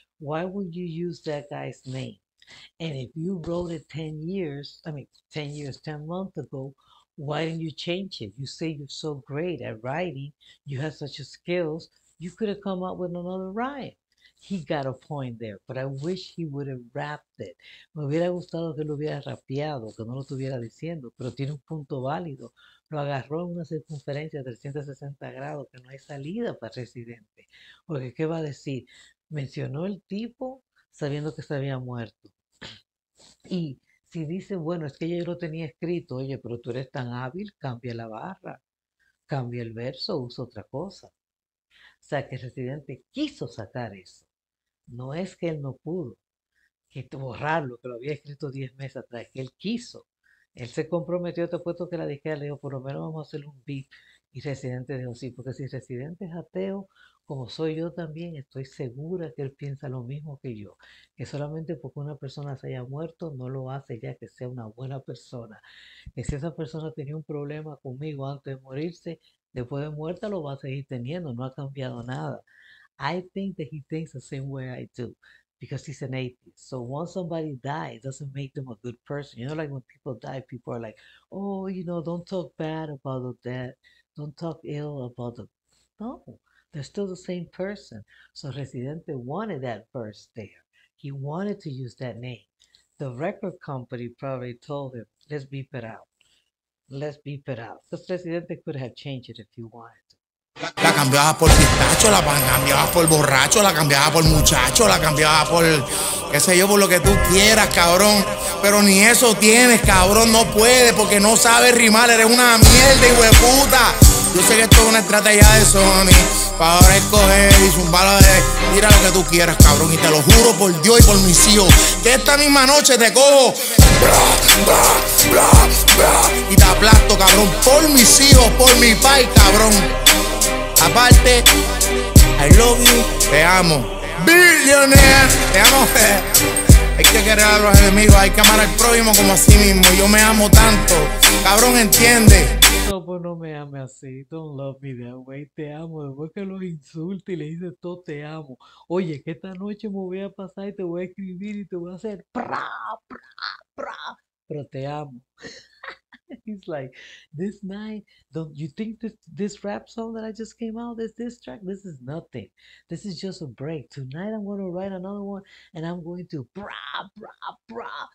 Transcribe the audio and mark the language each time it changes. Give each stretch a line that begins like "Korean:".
English: Why would you use that guy's name? And if you wrote it 10 years, I mean, 10 years, 10 months ago, why didn't you change it? You say you're so great at writing, you have such a skills, you could have come up with another rhyme. He got a point there, but I wish he would have rapped it.
Spanish: Me hubiera gustado que lo hubiera rapeado, que no lo estuviera diciendo, pero tiene un punto válido. Lo agarró en una circunferencia de 360 grados, que no hay salida para Residente. Porque, ¿qué va a decir? Mencionó el tipo sabiendo que se había muerto. Y si dice, bueno, es que yo lo tenía escrito, oye, pero tú eres tan hábil, cambia la barra, cambia el verso, usa otra cosa. O sea, que el residente quiso sacar eso. No es que él no pudo, que borrarlo, que lo había escrito 10 meses atrás, que él quiso. Él se comprometió, te apuesto que la disquera le dijo, por lo menos vamos a hacer un beat. Y residente dijo, sí, porque si residente es ateo, como soy yo también, estoy segura que él piensa lo mismo que yo. Que solamente porque una persona se haya muerto no lo hace ya que sea una buena persona. Que si esa persona tenía un problema conmigo antes de morirse, después de muerta lo va a seguir teniendo. No ha cambiado nada.
English: I think that he thinks the same way I do. Because he's an atheist. So once somebody dies, it doesn't make them a good person. You know, like when people die, people are like, oh, you know, don't talk bad about the dead. Don't talk ill about the. No. They're still the same person. So Residente wanted that verse there. He wanted to use that name. The record company probably told him, let's beep it out. Let's beep it out. The Residente could have changed it if he wanted to.
Spanish: La cambiaba por pistacho, la cambiaba por borracho, la cambiaba por muchacho, la cambiaba por, qué sé yo, por lo que tú quieras, cabrón. Pero ni eso tienes, cabrón, no puedes porque no sabes rimar, eres una mierda, hijo de puta. Yo sé que esto es una estrategia de Sony, para ahora escoger y zumbar de, tira lo que tú quieras, cabrón. Y te lo juro por Dios y por mis hijos, que esta misma noche te cojo. Y te aplasto, cabrón, por mis hijos, por mi pai, cabrón. Aparte,
English: I love you,
Spanish: te amo. Billionaire, te amo. Hay que querer a los enemigos, hay que amar al prójimo como a sí mismo. Yo me amo tanto, cabrón, ¿entiende? No, pues no me ame así,
English: don't love me that way,
Spanish: te amo, después que lo insulte y le dice todo, te amo. Oye, que esta noche me voy a pasar y te voy a escribir y te voy a hacer pra, pra, pra, pero te amo.
English: He's like, this night, don't you think this rap song that I just came out, this track, this is nothing. This is just a break. Tonight I'm going to write another one and I'm going to bra, bra, bra.